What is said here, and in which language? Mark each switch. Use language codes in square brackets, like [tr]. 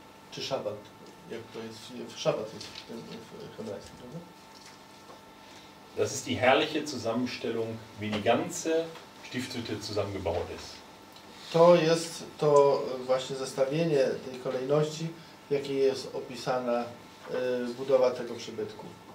[pl] Czy szabat, jak to jest, szabat jest w hebrajskim, prawda? [de] Das ist die herrliche Zusammenstellung, wie die ganze Stiftshütte zusammengebaut ist. [pl] To jest to właśnie zestawienie tej kolejności, w jakiej jest opisana budowa tego przybytku.